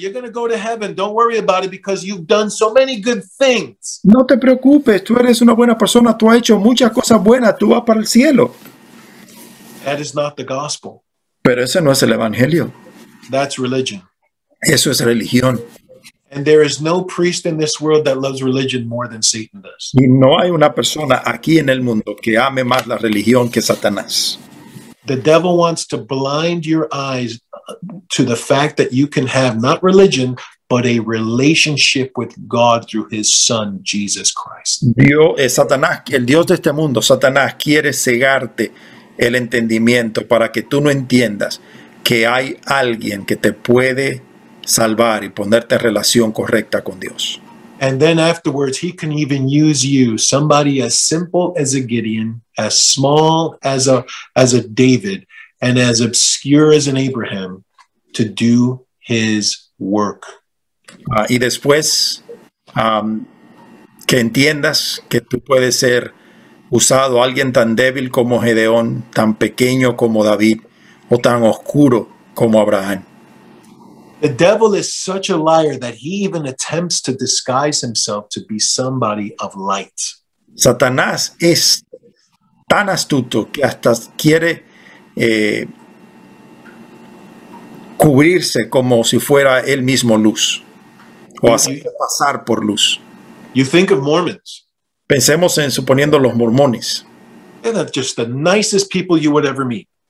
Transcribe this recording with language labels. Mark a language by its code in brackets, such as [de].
[en] You're going to go to heaven. Don't worry about it because you've done so many good things. [es] No te preocupes. Tú eres una buena persona. Tú has hecho muchas cosas buenas. Tú vas para el cielo. [en] That is not the gospel. [es] Pero ese no es el evangelio. [en] That's religion. [es] Eso es religión. [en] And there is no priest in this world that loves religion more than Satan does. [es] Y no hay una persona aquí en el mundo que ame más la religión que Satanás. [en] The devil wants to blind your eyes to the fact that you can have not religion, but a relationship with God through his son, Jesus Christ. [es] Satanás, el Dios de este mundo, Satanás, quiere cegarte el entendimiento para que tú no entiendas que hay alguien que te puede salvar y ponerte en relación correcta con Dios. [en] And then afterwards he can even use you, somebody as simple as a Gideon, as small as a David, and as obscure as an Abraham, to do his work. [es] Y después que entiendas que tú puedes ser usado, alguien tan débil como Gedeón, tan pequeño como David, o tan oscuro como Abraham. [en] The devil is such a liar that he even attempts to disguise himself to be somebody of light. [es] Satanás es tan astuto que hasta quiere cubrirse como si fuera él mismo luz o hacerse pasar por luz. [en] You think of Mormons. [es] Pensemos en suponiendo los mormones. [en] They're just the nicest people you would ever meet.